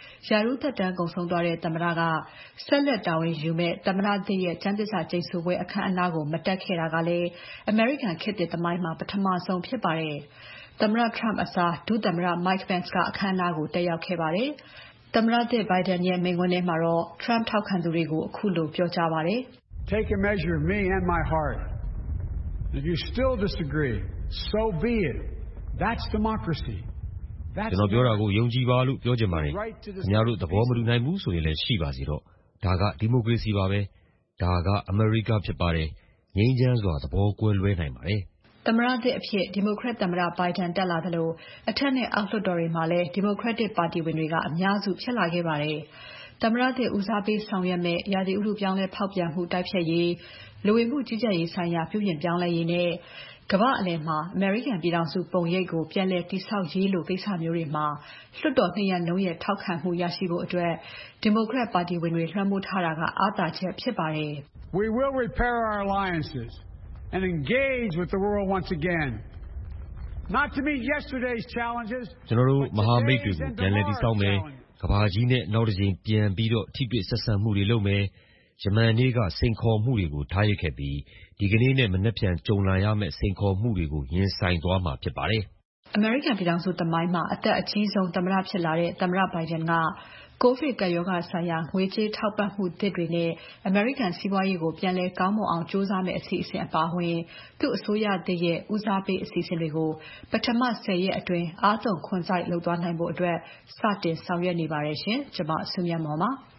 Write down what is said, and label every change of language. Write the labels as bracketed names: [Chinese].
[Burmese] ရာထူးသက်တမ်းကုံဆုံးသွားတဲ့သမ္မတကဆက်လက်တောင်းရင်ယူမဲ့သမ္မတသည်ရဲ့ချမ်းသစ္စာကျိန်းဆိုပွဲအခမ်းအနားကိုမတက်ခဲ့တာကလည်းအမေရိကန်ခေတ်သစ်သမိုင်းမှာပထမဆုံးဖြစ်ပါတယ်။သမ္မတထရမ့်အစားဒုသမ္မတမိုက်ပန့်စ်ကအခမ်းအနားကိုတက်ရောက်ခဲ့ပါတယ်။သမ္မတသည်ဘိုင်ဒန်ရဲ့မိန့်ခွန်းထဲမှာတော့ထရမ့်ထောက်ခံသူတွေကိုအခုလိုပြောကြားပါတယ် [English] ။ Take a measure of me and my heart. If you still disagree, so be it. That's democracy. [Burmese] ကျွန်တော်ပြောတာကိုယုံကြည်ပါလို့ပြောချင်ပါတယ်။အများတို့သဘောမတူနိုင်ဘူးဆိုရင်လည်းရှိပါစီတော့ဒါကဒီမိုကရေစီပါပဲ။ဒါကအမေရိကဖြစ်ပါတယ်။ငြိမ်းချမ်းစွာသဘောကွဲလွဲနိုင်ပါတယ် ။သမ္မတသည့်အဖြစ်ဒီမိုကရက်သမ္မတဘိုင်ဒန်တက်လာသလိုအထက်နဲ့အောက်လွှတ်တော်တွေမှာလည်းဒီမိုကရက်တစ်ပါတီဝင်တွေကအများစုဖြစ်လာခဲ့ပါတယ်။သမ္မတသည့်ဦးစားပေးဆောင်ရွက်မဲ့ရာသီဥတုပြောင်းလဲဖောက်ပြန်မှုတိုက်ဖျက်ရေးလူဝင်မှုကြီးကြပ်ရေးဆိုင်ရာပြုပြင်ပြောင်းလဲရေးနဲ့ကမ္ဘာအလယ်မှာအမေရိကန်ပြည်ထောင်စုပုံရိပ်ကိုပြန်လည်တည်ဆောက်ရေးလိုကိစ္စမျိုးတွေမှာလွှတ်တော်နှစ်ရက်လုံးရဲ့ထောက်ခံမှုရရှိဖို့အတွက်ဒီမိုကရက်ပါတီဝင်တွေလွှမ်းမိုးထားတာကအားသာချက်ဖြစ်ပါတယ် [English] ။ We will repair our alliances and engage with the world once again. Not to meet yesterday's challenges. [Burmese] ကျွန်တော်တို့မဟာမိတ်တွေကိုပြန်လည်တည်ဆောက်မယ်။ကမ္ဘာကြီးနဲ့နောက်တစ်ကြိမ်ပြန်ပြီးတော့ထိပ်ပိတ်ဆက်ဆံမှုတွေလုပ်မယ်။ဂျမန်နေကစိန်ခေါ်မှုတွေကိုထားရခဲ့ပြီးဒီကနေ့နဲ့မနှက်ပြန်ကြုံလာရမယ့်စိန်ခေါ်မှုတွေကိုရင်ဆိုင်သွားမှာဖြစ်ပါတယ် ။အမေရိကန်ပြည်ထောင်စုတမိုင်းမှာအသက်အကြီးဆုံးသမ္မတဖြစ်လာတဲ့သမ္မတဘိုင်ဒန်ကကိုဗစ်ကပ်ရောဂါဆိုင်ရာငွေကြေးထောက်ပံ့မှုသစ်တွေနဲ့အမေရိကန်စီးပွားရေးကိုပြန်လည်ကောင်းမွန်အောင်ကြိုးစားမယ့်အစီအစဉ်အပါအဝင်သူ့အစိုးရတည်းရဲ့ဦးစားပေးအစီအစဉ်တွေကိုပထမ10ရက်အတွင်းအားသုံးခွန်ဆိုင်လုပ်သွားနိုင်ဖို့အတွက်စတင်ဆောင်ရွက်နေပါတယ်ရှင်။ကျွန်မဆုမြတ်မော်ပါ